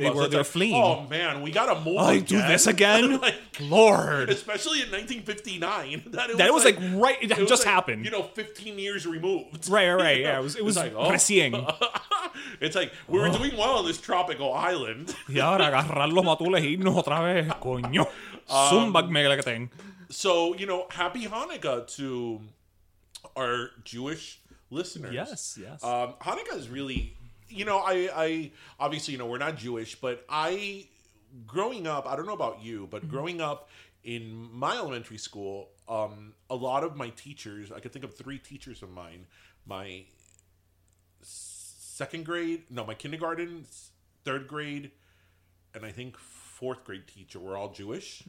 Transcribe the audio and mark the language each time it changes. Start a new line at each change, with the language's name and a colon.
English: They were, so they're fleeing. Oh man, we gotta move. I do this again, like, Lord. Especially in 1959, that was just happened. You know, 15 years removed. Right. Yeah, it was like, oh. It's like we were doing well on this tropical island.
Spanish: Y ahora agarrar los matules e irnos otra vez, coño. Zumba mega que tengo.
English: So you know, happy Hanukkah to our Jewish listeners. Yes. Hanukkah is really. You know, I obviously, you know, we're not Jewish, but I, growing up, I don't know about you, but growing up in my elementary school, a lot of my teachers, I could think of three teachers of mine, my kindergarten, third grade, and I think fourth grade teacher were all Jewish.